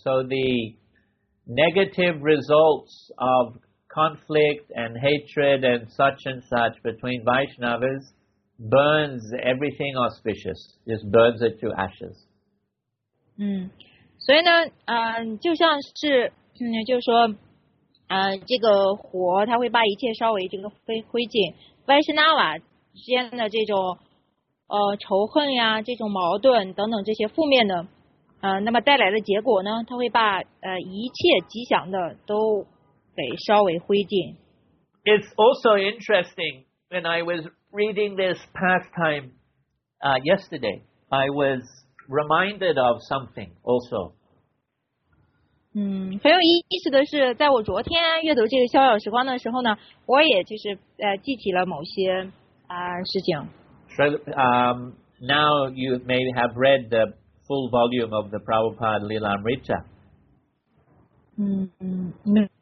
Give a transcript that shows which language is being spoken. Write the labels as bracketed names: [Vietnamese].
[English] So the negative results of conflict and hatred and such between Vaishnavas burns everything auspicious. Just burns it to ashes. [Chinese] 所以呢，就像是，就是说，这个火它会把一切烧为这个灰烬。 Vaishnava 之间的这种仇恨呀，这种矛盾等等这些负面的，那么带来的结果呢，它会把一切吉祥的都给烧为灰烬。 [English] It's also interesting when I was reading this pastime yesterday, I was. Reminded of something also. [Chinese] 很有意思的是，在我昨天阅读这个逍遥时光的时候呢，我也就是记起了某些事情。 [English] So, now you may have read the full volume of the Prabhupada Lilamrita.